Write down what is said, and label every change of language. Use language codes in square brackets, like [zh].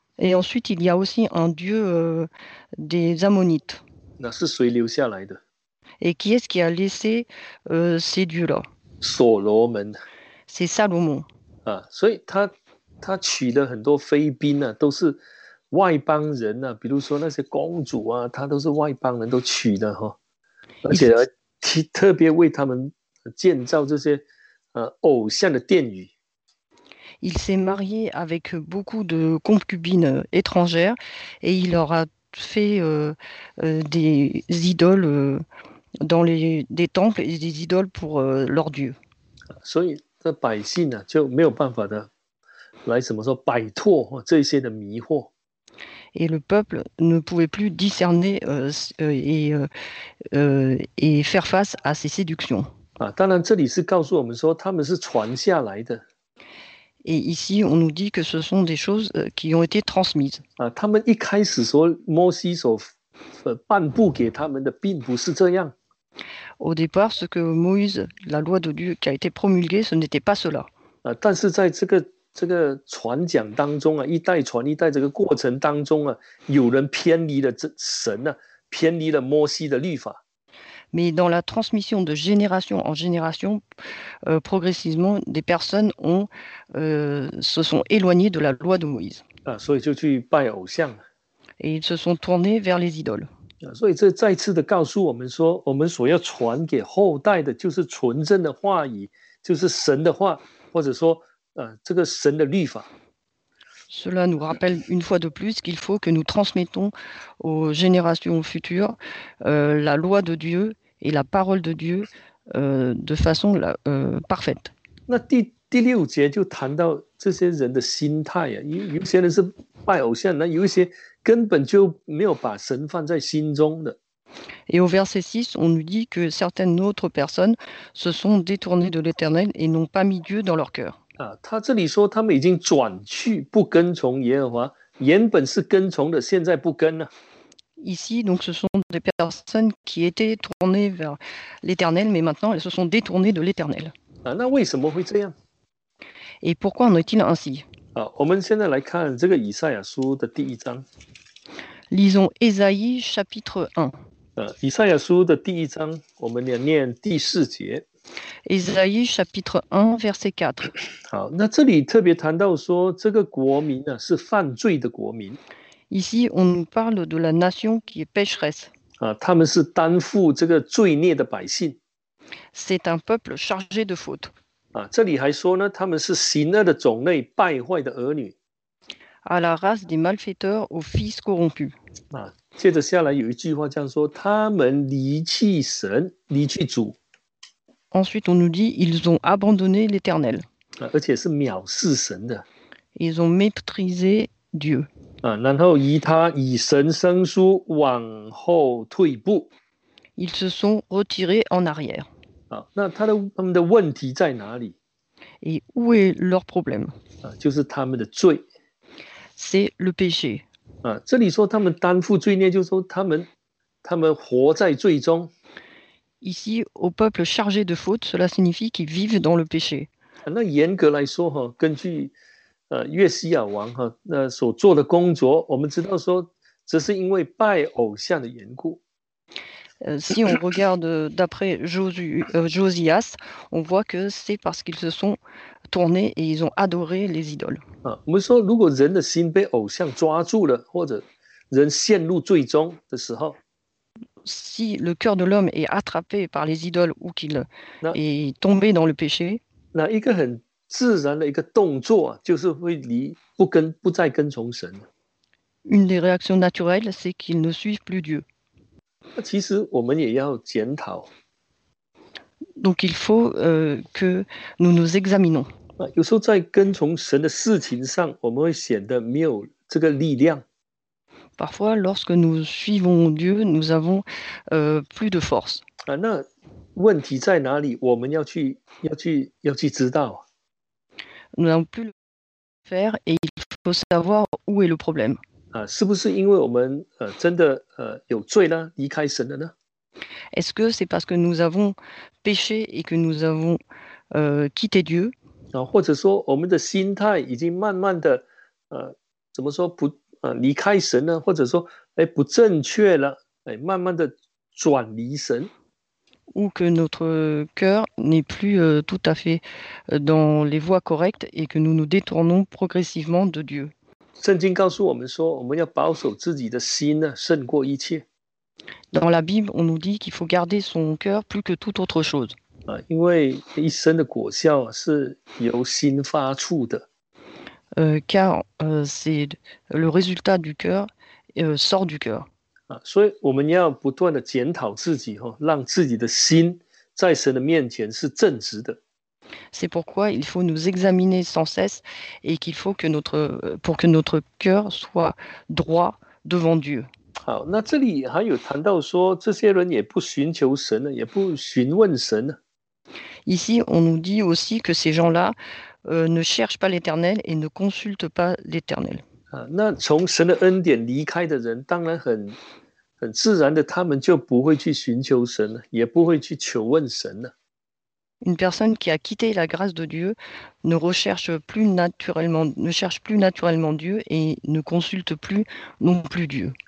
[fr] Et ensuite, il y a aussi un dieu des Ammonites. [zh] 那是谁留下来的 [fr] ？Et qui est-ce qui a laissé ces dieux-là？ [zh] 所罗门。 [fr] C'est Salomon. [zh] 啊，所以他娶了很多妃嫔呢、啊，都是外邦人呢、啊，比如说那些公主啊，他都是外邦人都娶的哈。而且特别为他们建造这些偶像的殿宇。 [fr] Il s'est marié avec beaucoup de concubines étrangères et il leur a fait des idoles dans des temples et des idoles pour leur dieu. [zh] 所以这百姓呢、啊、就没有办法的来怎么说摆脱这些的迷惑。 [fr] Et le peuple ne pouvait plus discerner et faire face à ces séductions. [zh] 啊，当然，这里是告诉我们说他们是传下来的。 [fr] Et ici, on nous dit que ce sont des choses qui ont été transmises. [zh] 啊，他们一开始说摩西所颁布给他们的并不是这样。 [fr] Au départ, ce que Moïse, la loi de Dieu qui a été promulguée, ce n'était pas cela. [zh] 啊，但是在这个传讲当中啊，一代传一代这个过程当中啊，有人偏离了这神呢、啊，偏离了摩西的律法。 [fr] Mais dans la transmission de génération en génération, progressivement, des personnes se sont éloignées de la loi de Moïse. [zh] 啊，所以就去拜偶像。 [fr] Et ils se sont tournés vers les idoles. [zh] 啊，所以这再次的告诉我们说，我们所要传给后代的就是纯正的话语，就是神的话，或者说。这个神的律法。 [fr] Cela nous rappelle une fois de plus qu'il faut que nous transmettons aux générations futures la loi de Dieu et la parole de Dieu de façon parfaite. [zh] 那第六节就谈到这些人的心态啊，有些人是拜偶像，那有一些根本就没有把神放在心中的。 [fr] Et au verset 6, on nous dit que certaines autres personnes se sont détournées de l'Éternel et n'ont pas mis Dieu dans leur cœur. [zh] 啊，他这里说他们已经转去不跟从耶和华，原本是跟从的，现在不跟了。 [fr] Ici, donc, ce sont des personnes qui étaient tournées vers l'Éternel, mais maintenant elles se sont détournées de l'Éternel. [zh] 啊，那为什么会这样 [fr] ？Et pourquoi en est-il ainsi？ [zh] 啊，我们现在来看这个以赛亚书的第一章。 [fr] Lisons Ésaïe chapitre 1. [zh] 以赛亚书的第一章，我们要念第四节。 [fr] Ésaïe chapitre 1 verset 4. [zh] 好，那这里特别谈到说，这个国民呢、啊、是犯罪的国民。 [fr] Ici, on nous parle de la nation qui est pécheresse. [zh] 啊，他们是担负这个罪孽的百姓。 [fr] C'est un peuple chargé de fautes. [zh] 啊, 这里还说呢, 他们是邪恶的种类, 败坏的儿女。 [fr] À la race des malfaiteurs, aux fils corrompus. [zh] 啊, 接着下来有一句话这样说, 他们离弃神, 离弃主。 [fr] Ensuite, on nous dit, ils ont abandonné l'Éternel. [zh] 啊, 而且是藐视神的。 [fr] Ils ont méprisé Dieu. [zh] 啊, 然后以他以神生疏, 往后退步。 [fr] Ils se sont retirés en arrière. [zh] 啊, 那他们的问题在哪里? [fr] Et où est leur problème? [zh] 啊, 就是他们的罪。 [fr] C'est le péché. [zh] 啊, 这里说他们担负罪孽, 就是说他们活在罪中。 [fr] Ici, au peuple chargé de fautes, cela signifie qu'ils vivent dans le péché. [zh] 啊, 那严格来说, 哈, 根据, 呃, 约西亚王, 哈, 那所做的工作, 我们知道说, 只是因为拜偶像的缘故。 [fr] Si on regarde d'après Josias, on voit que c'est parce qu'ils se sont tournés et ils ont adoré les idoles. [zh] 啊, 我们说, 如果人的心被偶像抓住了, 或者人陷入罪中的时候, [fr] si le cœur de l'homme est attrapé par les idoles ou qu'il 那, est tombé dans le péché, [zh] 那一个很自然的一个动作, 就是会离, 不跟, 不再跟从神。 [fr] Une des réactions naturelles, c'est qu'ils ne suivent plus Dieu. [zh] 其实我们也要检讨。 [fr] Donc il faut que nous nous examinons. [zh] 啊, 有时候在跟从神的事情上, 我们会显得没有这个力量。 [fr] Parfois, lorsque nous suivons Dieu, nous avons plus de force. [zh] 啊, 那问题在哪里?我们要去知道。 [fr] Nous n'avons plus le faire et il faut savoir où est le problème. [zh] 啊, 是不是因为我们, 呃, 真的, 呃, 有罪呢? 离开神了呢? [fr] Est-ce que c'est parce que nous avons péché et que nous avons quitté Dieu? [zh] 啊, 或者说我们的心态已经慢慢的, 呃, 怎么说, 不, 呃, 离开神了, 或者说, 诶, 不正确了, 诶, 慢慢的转离神。 [fr] Ou que notre cœur n'est plus tout à fait dans les voies correctes et que nous nous détournons progressivement de Dieu. [zh] 圣经告诉我们说, 我们要保守自己的心呢, 胜过一切。 [fr] Dans la Bible, on nous dit qu'il faut garder son cœur plus que toute autre chose. [zh] 啊, 因为一生的果效, 是由心发出的。 [fr] C'est le résultat du cœur sort du cœur. [zh] 啊, 所以我们要不断地检讨自己, 哦, 让自己的心在神的面前是正直的。 [fr] C'est pourquoi il faut nous examiner sans cesse et qu'il faut que notre, pour que notre cœur soit droit devant Dieu. [zh] 好, 那这里还有谈到说, 这些人也不寻求神, 也不询问神。 [fr] Ici, on nous dit aussi que ces gens-là ne cherchent pas l'Éternel et ne consultent pas l'Éternel. [zh] 啊, 那从神的恩典离开的人, 当然很, 很自然的, 他们就不会去寻求神, 也不会去求问神。 [fr] Une personne qui a quitté la grâce de Dieu ne recherche plus naturellement, ne cherche plus naturellement Dieu et ne consulte plus non plus Dieu.